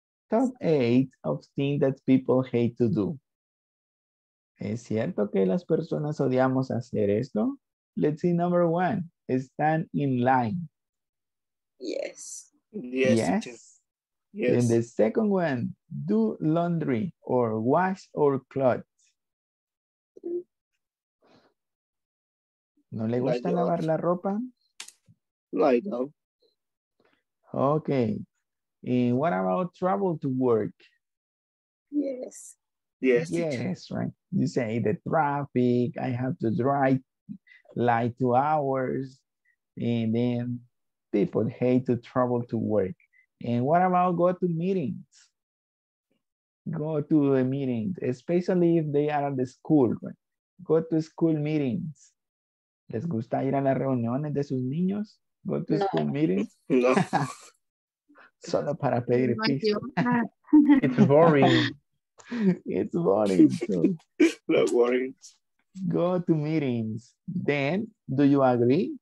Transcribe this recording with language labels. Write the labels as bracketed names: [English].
[English] Top 8 of things that people hate to do. [Spanish] ¿Es cierto que las personas odiamos hacer esto? [English] Let's see number 1. Stand in line. Yes. Yes. Yes. And the second one, do laundry or wash or clothes. [Spanish] ¿No le gusta lavar la ropa? [English] No, I don't. Okay. And what about travel to work? Yes. Yes, right. You say the traffic, I have to drive like 2 hours. And then people hate to travel to work. And what about go to meetings? Go to the meetings, especially if they are at the school. Right? Go to school meetings. [Spanish] ¿Les gusta ir a las reuniones de sus niños? [English] Go to school meetings? No. [Spanish] Solo para pedir piso. [English] It's boring. It's boring. So. Not boring. Go to meetings. Then, do you agree?